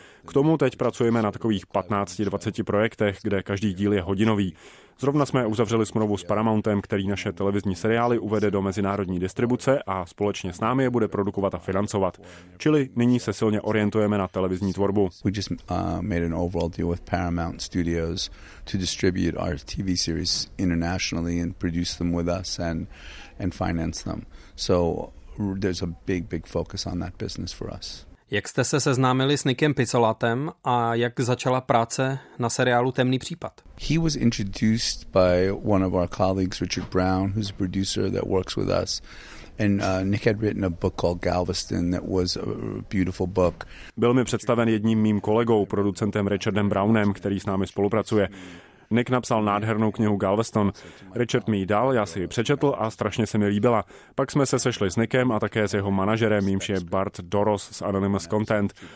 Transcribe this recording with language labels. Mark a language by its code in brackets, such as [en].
[cs] K tomu teď pracujeme na takových 15-20 projektech, kde každý díl je hodinový. Zrovna jsme uzavřeli smlouvu s Paramountem, který naše televizní seriály uvede do mezinárodní distribuce a společně s námi je bude produkovat a financovat. Čili nyní se silně orientujeme na televizní tvorbu. [en] We just made an overall deal with Paramount Studios to distribute our TV series internationally and produce them with us and finance them. So there's a big focus on that business for us. [cs] Jak jste se seznámili s Nickem Pizzolatem a jak začala práce na seriálu Temný případ? [en] He was introduced by one of our colleagues, Richard Brown, who's a producer that works with us. And Nick had written a book called Galveston that was a beautiful book. [cs] Byl mi představen jedním mým kolegou, producentem Richardem Brownem, který s námi spolupracuje. Nick napsal nádhernou knihu Galveston. Richard mi ji dal, já si ji přečetl a strašně se mi líbila. Pak jsme se sešli s Nickem a také s jeho manažerem, jímž je Bart Doros z Anonymous Content.